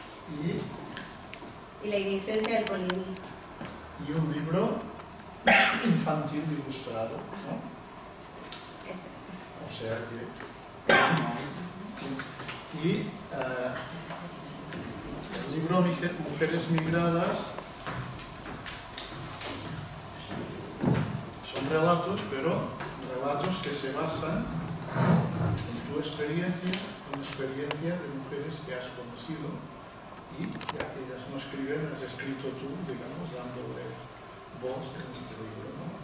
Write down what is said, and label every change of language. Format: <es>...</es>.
<ca>i La Iridescencia del Colibrí. I un llibre infantil il·lustrado, no?</ca> <es>Este. O sea que...</es> <ca>I el llibre</ca> <es>Mujeres Migrades son relatos, pero relatos que se basan en tu experiencia, en la experiencia de mujeres que has conocido, y ya que ellas no escriben, has escrito tú, digamos, dándole voz en este libro, ¿no?</es>